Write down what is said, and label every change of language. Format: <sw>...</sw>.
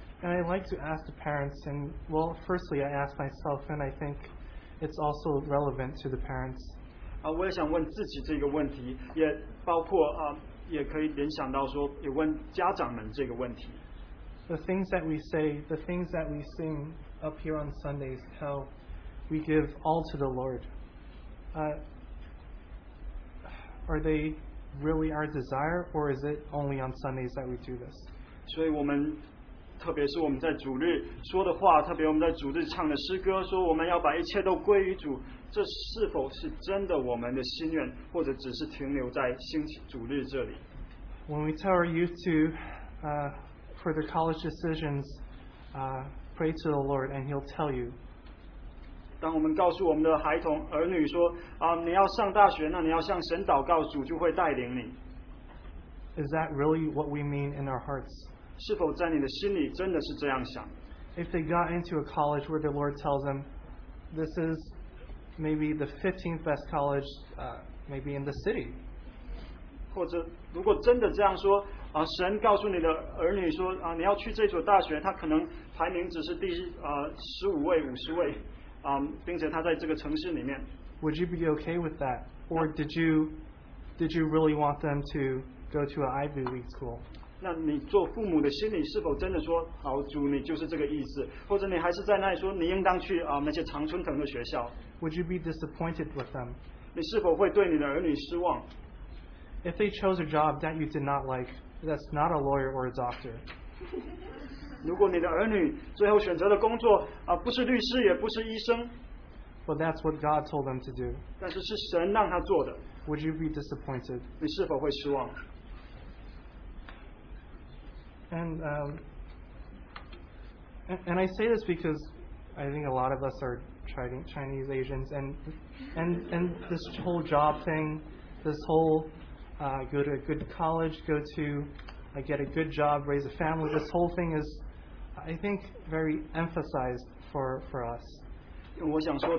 <en>And I like to ask the parents, and well, firstly I ask myself, and I think it's also relevant to the parents.</en> <zh>我也想问自己这个问题，也包括也可以联想到说，也问家长们这个问题。</zh> <en>The things that we say, the things that we sing up here on Sundays, how we give all to the Lord. Are they really our desire, or is it only on Sundays that we do this?</en> <zh>所以我们 特别是我们在主日说的话，特别我们在主日唱的诗歌，说我们要把一切都归于主，这是否是真的我们的心愿，或者只是停留在星期主日这里？</zh> <en>When we tell our youth to for their college decisions, pray to the Lord and he'll tell you.</en> <zh>当我们告诉我们的孩童儿女说, 你要上大学, 那你要向神祷告, 主就会带领你。</zh> <en>Is that really what we mean in our hearts?</en> <zh>是否在你的心里真的是这样想?</zh> <en>If they got into a college where the Lord tells them, this is maybe the 15th best college, maybe in the city.</en> <zh>或者如果真的这样说, 神告诉你的儿女说, 你要去这所大学, 它可能排名只是第, 15位, 50位, 并且它在这个城市里面。</zh> <en>Would you be okay with that? Or did you really want them to go to an Ivy League school?</en> <zh>那你做父母的心里是否真的说, 好, 主你就是这个意思, 或者你还是在那里说, 你应当去, 那些常春藤的学校。</zh> <en>Would you be disappointed with them?</en> <zh>你是否会对你的儿女失望?</zh> <en>If they chose a job that you did not like, that's not a lawyer or a doctor.</en> <zh>如果你的儿女最后选择的工作, 不是律师也不是医生,</zh> <en>but that's what God told them to do.</en> <zh>但是是神让他做的,</zh> <en>would you be disappointed?</en> <zh>你是否会失望?</zh> <en>And I say this because I think a lot of us are Chinese Asians, and this whole job thing, this whole go to a good college, go to get a good job, raise a family, this whole thing is, I think, very emphasized for us.</en>